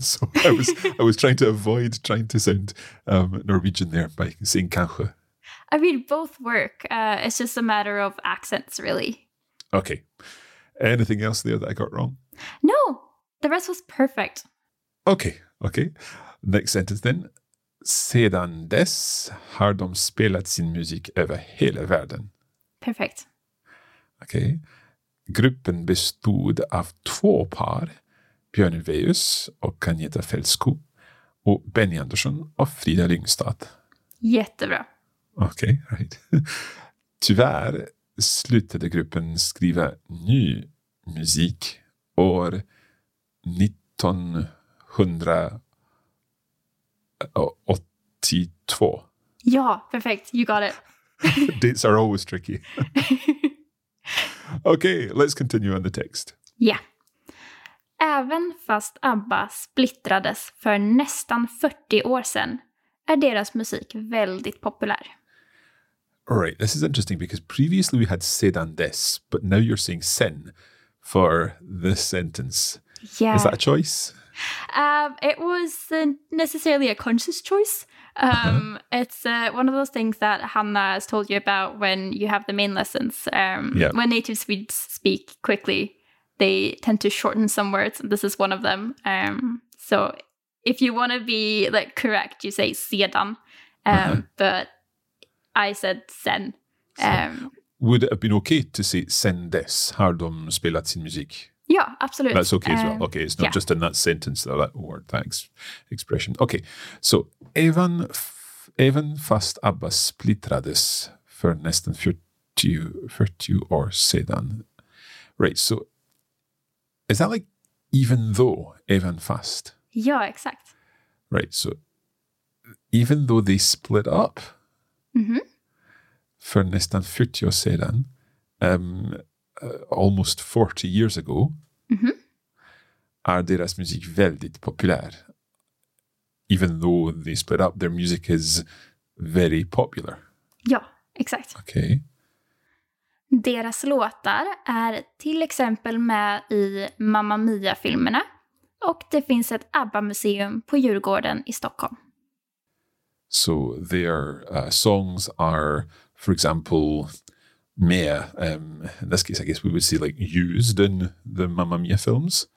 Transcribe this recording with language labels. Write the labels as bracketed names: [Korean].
[English] So I was I was trying to avoid trying to sound Norwegian there by saying kanske. I mean, both work. It's just a matter of accents, really. Okay. Anything else there that I got wrong? No, the rest was perfect. Okay. Okay, next sentence then. [Swedish] Sedan dess har de spelat sin musik över hela världen. [English] Perfect. Okay. [Swedish] Gruppen bestod av två par, Björn Ulvaeus och Agneta Fältskog, och Benny Andersson och Frida Lyngstad. Jättebra. [English] Okay, right. [Swedish] Tyvärr slutade gruppen skriva ny musik år 1982. [English] Ja, perfect. You got it. Dates are always tricky. Okay, let's continue on the text. [Swedish] Ja. Även fast ABBA splittrades för nästan 40 år sedan är deras musik väldigt populär. [English] All right, this is interesting because previously we had [Swedish] sedan dess, [English] but now you're saying sen for this sentence. Yeah. Is that a choice? It wasn't necessarily a conscious choice. It's one of those things that Hannah has told you about when you have the main lessons. When native Swedes speak quickly, they tend to shorten some words. And this is one of them. So if you want to be like correct, you say sedan. But I said sen. Would it have been okay to say [Swedish] sen dess har de spelat sin musik? [English] Yeah, absolutely. That's okay as well. Okay, it's not just in that sentence, that word, thanks, expression. [Swedish] Okay, so even fast ABBA splittrades för nästan 40 år sedan. [English] Right, so is that like even though, even fast? Yeah, exact. Right, so even though they split up [Swedish] för nästan 40 år sedan, [English] almost 40 years ago, [Swedish] är deras musik väldigt populär? [English] even though they split up, their music is very popular. [Swedish] Ja, exakt. [English] Okay. [Swedish] Deras låtar är till exempel med i Mamma Mia-filmerna och det finns ett ABBA-museum på Djurgården i Stockholm. [English] So their songs are, for example, mere, in this case, I guess we would say like used in the Mamma Mia films.